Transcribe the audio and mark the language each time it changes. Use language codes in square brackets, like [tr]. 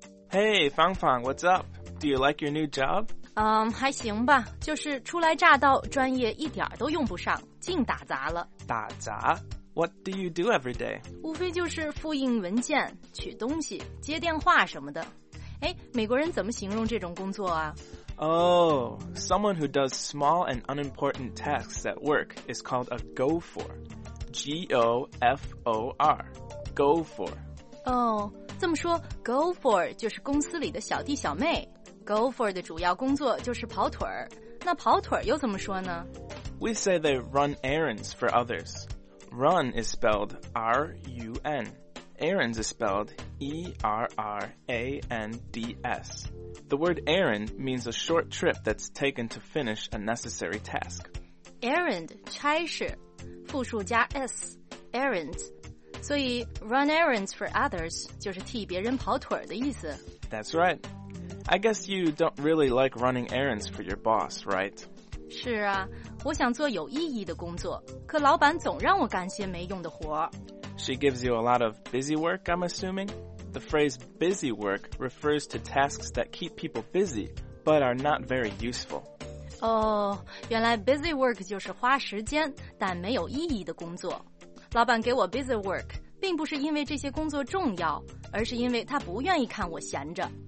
[en] Hey， 芳芳 ，What's up？ Do you like your new job? [zh] 还行吧，就是初来乍到，专业一点都用不上，净打杂了。打杂？ [en] What do you do every day? [zh] 无非就是复印文件、取东西、接电话什么的。哎，美国人怎么形容这种工作啊？ [en] Someone who does small and unimportant tasks at work is called a gopher. G-O-F-O-R. Gopher. [zh] 哦，这么说 ,gopher 就是公司里的小弟小妹。 Gopher 的主要工作就是跑腿儿。那跑腿儿又怎么说呢 [en] ？We say they run errands for others. Run is spelled R-U-N. Errands is spelled E-R-R-A-N-D-S. The word errand means a short trip that's taken to finish a necessary task. [zh] Errand 差事，复数加 s, errands. 所以 [en] run errands for others [zh] 就是替别人跑腿儿的意思。 [en] That's right. I guess you don't really like running errands for your boss, right? 是啊，我想做有意义的工作，可老板总让我干些没用的活。 She gives you a lot of busy work, I'm assuming? The phrase busy work refers to tasks that keep people busy, but are not very useful. [zh] 哦，原来 busy work 就是花时间但没有意义的工作。老板给我 busy work 并不是因为这些工作重要，而是因为他不愿意看我闲着。